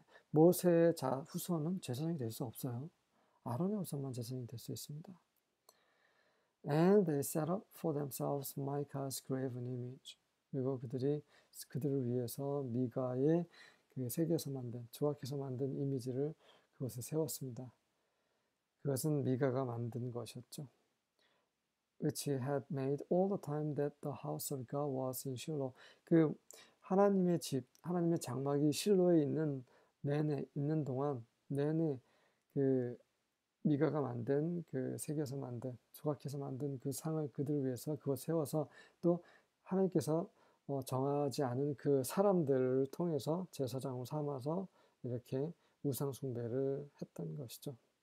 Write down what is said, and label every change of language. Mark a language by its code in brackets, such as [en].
[ko] 모세의 후손은 제사장이 될수 없어요. 아론의 후손만 제사장이 될수 있습니다. [en] And they set up for themselves Micah's graven image. [ko] 그리고 그들이 그들을 위해서 미가의 그 새겨서 만든 조각해서 만든 이미지를 그곳에 세웠습니다. 그것은 미가가 만든 것이었죠. [en] Which he had made all the time that the house of God was in Shiloh. [ko] 그 하나님의 집, 하나님의 장막이 실로에 있는 내내 있는 동안 내내 그 미가가 만든 그 새겨서 만든 조각해서 만든 그 상을 그들을 위해서 그곳 세워서 또 하나님께서 정하지 않은 그 사람들을 통해서 제사장을 삼아서 이렇게 우상 숭배를 했던 것이죠.